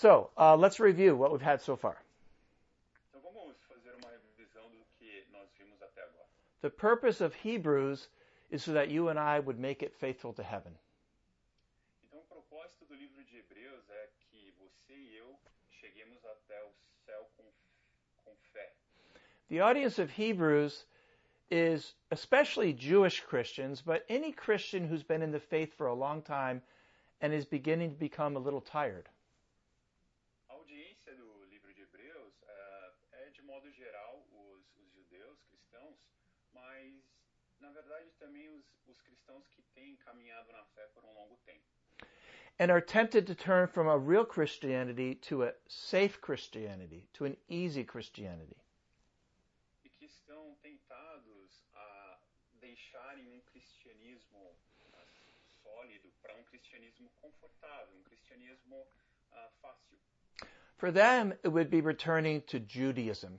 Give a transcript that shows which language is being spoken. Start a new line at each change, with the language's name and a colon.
English: So, let's review what we've had so far.
Portuguese: Então vamos fazer uma revisão do que nós vimos até agora.
English: The purpose of Hebrews is so that you and I would make it faithful to heaven.
Portuguese: Então, o propósito do livro de Hebreus é que você e eu cheguemos até o céu com fé.
English: The audience of Hebrews is especially Jewish Christians, but any Christian who's been in the faith for a long time and is beginning to become a little tired.
Portuguese: A audiência do livro de Hebreus é de modo geral os judeus cristãos, mas na verdade também os cristãos que têm caminhado na fé por um longo tempo.
English: And are tempted to turn from a real Christianity to a safe Christianity, to an easy Christianity.
Portuguese: E que estão tentados deixarem um cristianismo sólido para um cristianismo confortável, um cristianismo fácil.
English: For them, it would be returning to Judaism.